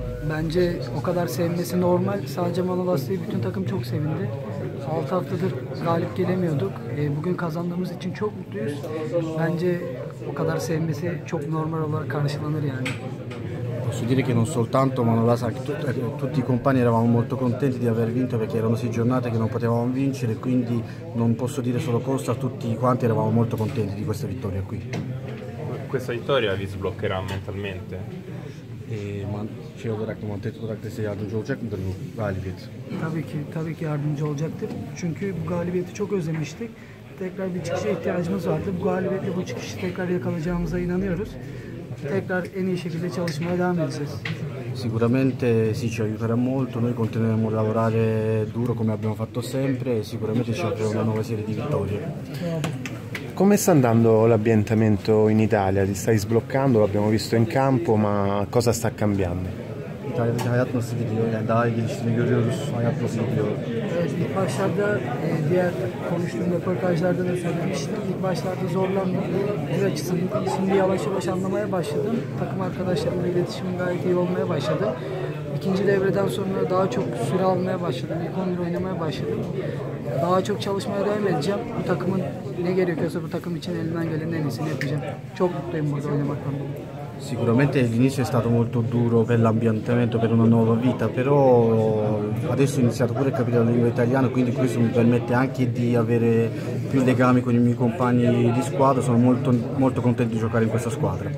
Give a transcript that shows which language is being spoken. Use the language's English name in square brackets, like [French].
[Turkish] Bence o kadar sevmesi normal. Sadece Manolas değil, bütün takım çok sevindi. 6 haftadır galip gelemiyorduk. Bugün kazandığımız için çok mutluyuz. Bence o kadar sevmesi çok normal olarak karşılanır yani. [Italian] Posso dire che non soltanto Manolas, anche tutti i compagni eravamo molto contenti di aver vinto, perché erano 6 giornate che non potevamo vincere, quindi non posso dire solo Costa, tutti quanti eravamo molto contenti di questa vittoria qui. Questa vittoria vi sbloccherà mentalmente? [Turkish] Şey olarak da, mantıklı olarak da size yardımcı olacak mıdır bu galibiyet? Tabii ki yardımcı olacaktır. Çünkü bu galibiyeti çok özlemiştik. Tekrar bir çıkışa ihtiyacımız vardı. Bu galibiyetle bu çıkışı tekrar yakalayacağımıza inanıyoruz. Tekrar en iyi şekilde çalışmaya devam edeceğiz. [Italian] Sicuramente sì, ci aiuterà molto. Noi continueremo a lavorare duro come abbiamo fatto sempre e sicuramente ci apre una nuova serie di vittorie. Come sta andando l'ambientamento in Italia? Ti stai sbloccando, l'abbiamo visto in campo, ma cosa sta cambiando? [Turkish] İtalya'daki hayat nasıl gidiyor? Yani daha iyi geliştiğini görüyoruz. Hayat nasıl gidiyor? Evet, ilk başlarda diğer konuştuğum röportajlarda da söylemiştim. İlk başlarda zorlandım. Bu açısından şimdi yavaş yavaş anlamaya başladım. Takım arkadaşlarımla iletişimim gayet iyi olmaya başladı. İkinci devreden sonra daha çok süre almaya başladım. İlk 11 oynamaya başladım. Daha çok çalışmaya devam edeceğim. Bu takımın ne gerekiyorsa bu takım için elinden gelen en iyisini yapacağım. Çok mutluyum burada oynamaktan dolayı. [Italian] Sicuramente l'inizio è stato molto duro per l'ambientamento, per una nuova vita, però adesso ho iniziato pure a capire la lingua italiana, quindi questo mi permette anche di avere più legami con i miei compagni di squadra. Sono molto, molto contento di giocare in questa squadra.